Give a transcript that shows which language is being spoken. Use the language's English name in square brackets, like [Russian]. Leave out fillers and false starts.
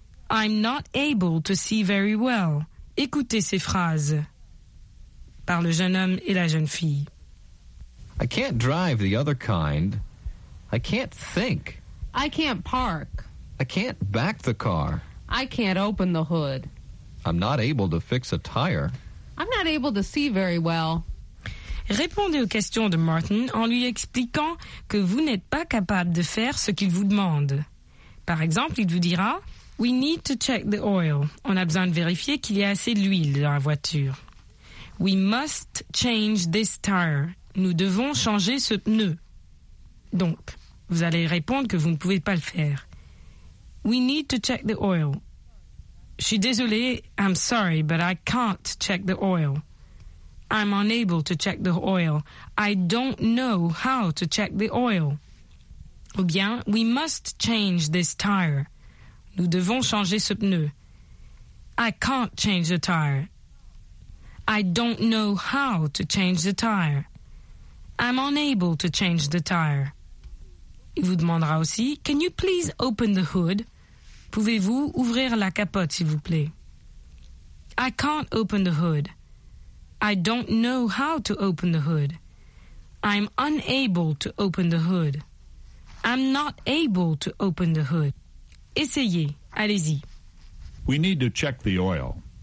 [English] I'm not able to see very well. [French] Écoutez ces phrases par le jeune homme et la jeune fille. [English] I can't drive the other kind. I can't think. I can't park. I can't back the car. I can't open the hood. I'm not able to fix a tire. I'm not able to see very well. [French] Répondez aux questions de Martin en lui expliquant que vous n'êtes pas capable de faire ce qu'il vous demande. Par exemple, il vous dira, [English] We need to check the oil. [French] On a besoin de vérifier qu'il y a assez d'huile dans la voiture. [English] We must change this tire. [French] Nous devons changer ce pneu. Donc, vous allez répondre que vous ne pouvez pas le faire. [English] We need to check the oil. [French] Je suis désolée, [English] I'm sorry, but I can't check the oil. I'm unable to check the oil. I don't know how to check the oil. [French] Ou bien, [English] we must change this tire. [French] Nous devons changer ce pneu. [English] I can't change the tire. I don't know how to change the tire. I'm unable to change the tire. [French] Il vous demandera aussi, [English] can you please open the hood? [French] Pouvez-vous ouvrir la capote, s'il vous plaît? [English] I can't open the hood. I don't know how to open the hood. I'm unable to open the hood. I'm not able to open the hood. [French] Essayez. Allez-y. [English] We need to check the oil.